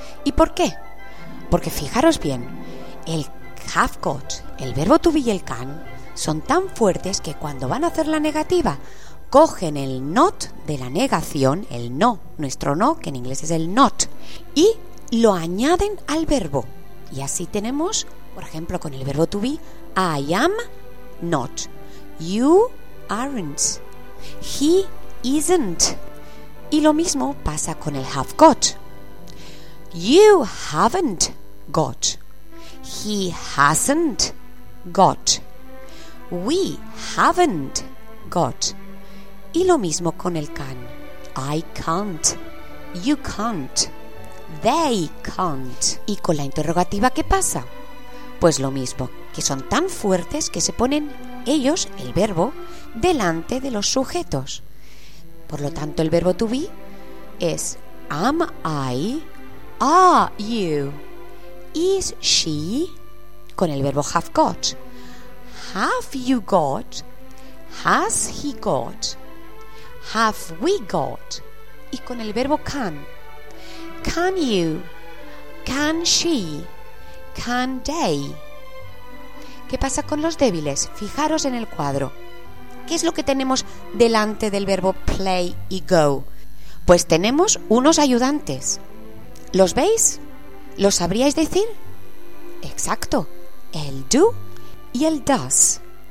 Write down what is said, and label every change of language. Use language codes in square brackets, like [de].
[es] ¿Y por qué? Porque fijaros bien, el have got, el verbo to be y el can son tan fuertes que cuando van a hacer la negativa, cogen el not de la negación, el no, nuestro no, que en inglés es el not, y lo añaden al verbo. Y así tenemos, por ejemplo, con el verbo to be, [en] I am not, you aren't, he isn't. [es] Y lo mismo pasa con el have got. [en] You haven't got, he hasn't got, we haven't got. [es] Y lo mismo con el can. [en] I can't, you can't, they can't. [es] ¿Y con la interrogativa qué pasa? Pues lo mismo, que son tan fuertes que se ponen ellos, el verbo, delante de los sujetos. Por lo tanto, el verbo to be es [en] am I, are you, is she, [es] con el verbo have got, [en] have you got, has he got, have we got, [es] y con el verbo [en] can you, can she, can they. [es] ¿Qué pasa con los débiles? Fijaros en el cuadro. ¿Qué es lo que tenemos delante del verbo play y go? Pues tenemos unos ayudantes. ¿Los veis? ¿Los sabríais decir? Exacto, el do y el does.